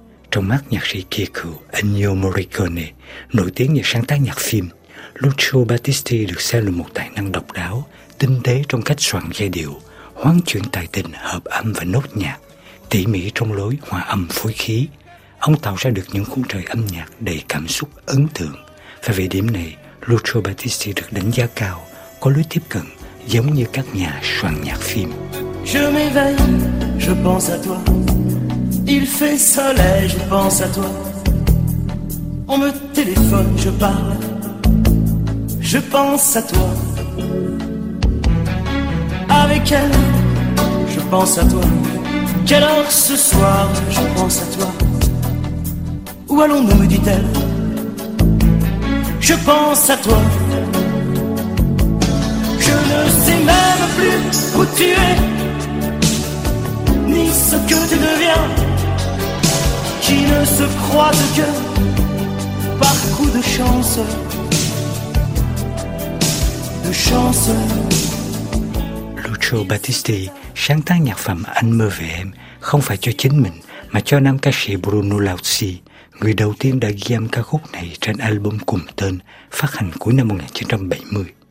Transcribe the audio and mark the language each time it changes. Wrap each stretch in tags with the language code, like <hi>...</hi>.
<vi>Trong mắt nhạc sĩ Kiku Ennio Morricone, nổi tiếng nhờ sáng tác nhạc phim, Lucio Battisti được xem là một tài năng độc đáo, tinh tế trong cách soạn giai điệu, hoán chuyển tài tình hợp âm và nốt nhạc, tỉ mỉ trong lối hòa âm phối khí. Ông tạo ra được những khung trời âm nhạc đầy cảm xúc ấn tượng. Và về điểm này, Lucio Battisti được đánh giá cao, có lối tiếp cận giống như các nhà soạn nhạc phim.</vi> <fr>Je m'éveille, je pense à toi. Il fait soleil, je pense à toi. On me téléphone, je parle. Je pense à toi. Avec elle, je pense à toi. Quelle heure ce soir, je pense à toi. Où allons-nous, me dit-elle. Je pense à toi. Je ne sais même plus où tu es, ni ce que tu deviens. Qui ne se croise que par coup de chance. De chance.</fr> <vi>Lucio Battisti sáng tác nhạc phẩm Anh mơ về em không phải cho chính mình, mà cho nam ca sĩ Bruno Lauzi, người đầu tiên đã ghi âm ca khúc này trên album cùng tên phát hành cuối năm 1970.</vi>